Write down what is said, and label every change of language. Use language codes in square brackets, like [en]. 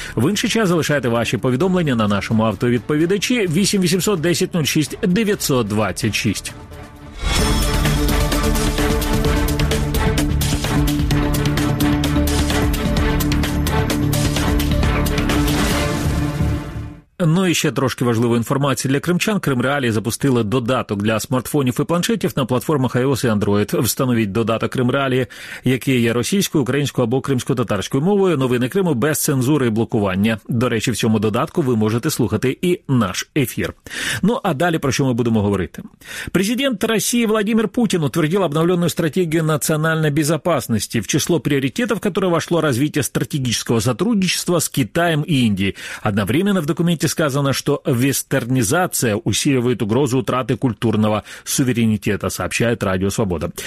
[uk] В інший час залишайте ваші повідомлення на нашому автовідповідачі 8 800 10 06 926. Ну і ще трошки важливої інформації для кримчан. Крим Реалії запустили додаток для смартфонів і планшетів на платформах iOS і Android. Встановіть додаток Крим Реалії, який є російською, українською або кримсько-татарською мовою. Новини Криму без цензури і блокування. До речі, в цьому додатку ви можете слухати і наш ефір. Ну, а далі про що ми будемо говорити? [ru] Президент Росії Владимир Путін утвердил обновленную стратегию национальной безопасности, в число приоритетов которой вошло развитие стратегического сотрудничества с Китаем и Индией. Одновременно в документе сказано, что вестернизация усиливает угрозу утраты культурного суверенитета, сообщает Радио Свобода.